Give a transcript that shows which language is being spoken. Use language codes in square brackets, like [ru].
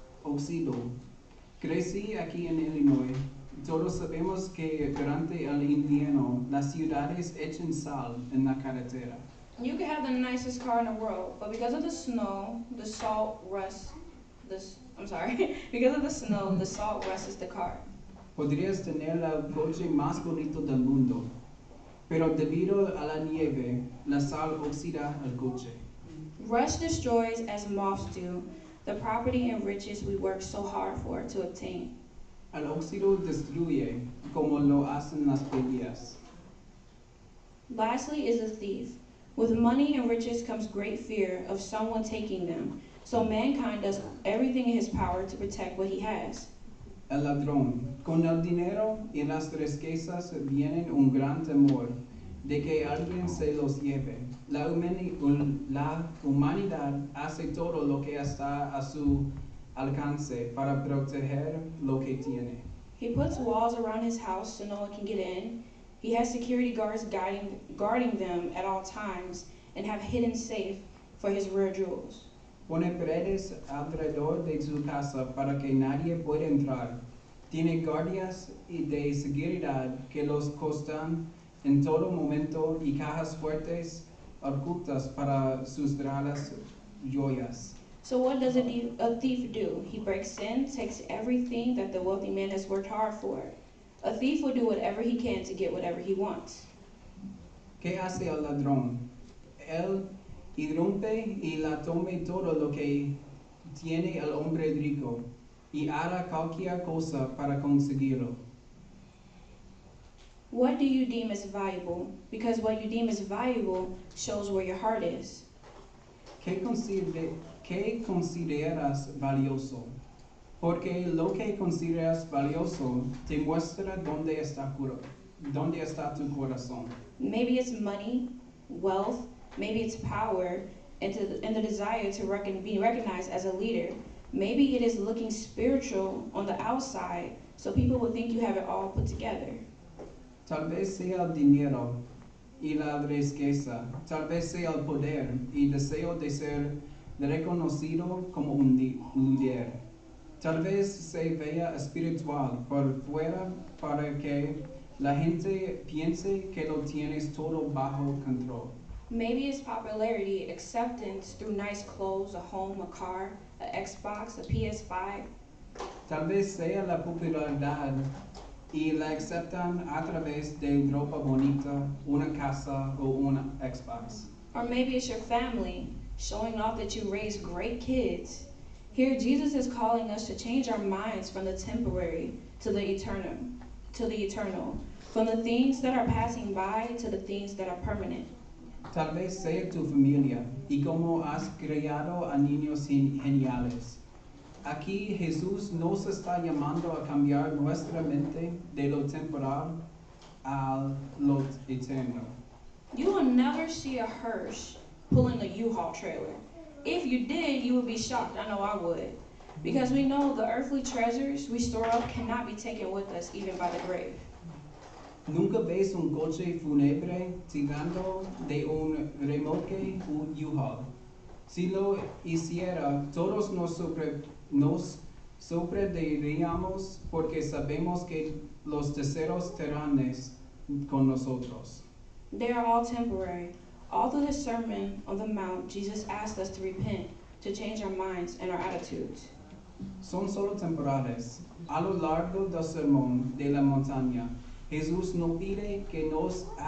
[es] Oxido. Crecí aquí en Illinois. Todos sabemos que durante el invierno, las ciudades echan sal en la carretera. [en] You can have the nicest car in the world, but because of the snow, the salt rusts. Because of the snow, the salt rusts the car. [es] Podrías tener el coche más bonito del mundo, pero debido a la nieve, la sal oxida el coche. [en] Rust destroys, as moths do, the property and riches we work so hard for to obtain. [es] El óxido destruye, como lo hacen las polillas. [en] Lastly, is a thief. With money and riches comes great fear of someone taking them, so mankind does everything in his power to protect what he has. [es] El ladrón. Con el dinero y las riquezas vienen un gran temor de que alguien se los lleve. La humanidad hace todo lo que está a su alcance para proteger lo que tiene. [en] He puts walls around his house so no one can get in. He has security guards guarding them at all times and have hidden safe for his rare jewels. [es] Pone paredes alrededor de su casa para que nadie pueda entrar. Tiene guardias de seguridad que los custodian en todo momento y cajas fuertes ocultas para sus raras joyas. [en] So what does a thief do? He breaks in, takes everything that the wealthy man has worked hard for. A thief will do whatever he can to get whatever he wants. [es] ¿Qué hace el ladrón? Él irrumpe y la toma todo lo que tiene el hombre rico y hará cualquier cosa para conseguirlo. [en] What do you deem as valuable? Because what you deem as valuable shows where your heart is. [es] ¿Qué consideras valioso? Porque lo que consideras valioso te muestra dónde está tu corazón. [en] Maybe it's money, wealth, maybe it's power, and the desire to be recognized as a leader. Maybe it is looking spiritual on the outside, so people will think you have it all put together. [es] Tal vez sea el dinero y la riqueza. Tal vez sea el poder y deseo de ser reconocido como un líder. Tal vez se vea espiritual por fuera para que la gente piense que lo tienes todo bajo control. [en] Maybe it's popularity, acceptance through nice clothes, a home, a car, a Xbox, a PS5. [es] Tal vez sea la popularidad y la aceptan a través de ropa bonita, una casa o una Xbox. [en] Or maybe it's your family showing off that you raised great kids. Here, Jesus is calling us to change our minds from the temporary to the eternal, from the things that are passing by to the things that are permanent. [es] Tal vez sea tu familia y cómo has criado a niños geniales. Aquí Jesús nos está llamando a cambiar nuestra mente de lo temporal a lo eterno. [en] You will never see a hearse pulling a U-Haul trailer. If you did, you would be shocked. I know I would. Because we know the earthly treasures we store up cannot be taken with us even by the grave. [es] Nunca ves un coche fúnebre tirando de un remolque o U-Haul. Si lo hiciera, todos nos sorprenderíamos porque sabemos que los terceros terrenos con nosotros. [en] They are all temporary. All through the Sermon on the Mount, Jesus asked us to repent, to change our minds and our attitudes. [es] Son solo temporales. A lo largo del Sermón de la Montaña, Jesús nos pide que nos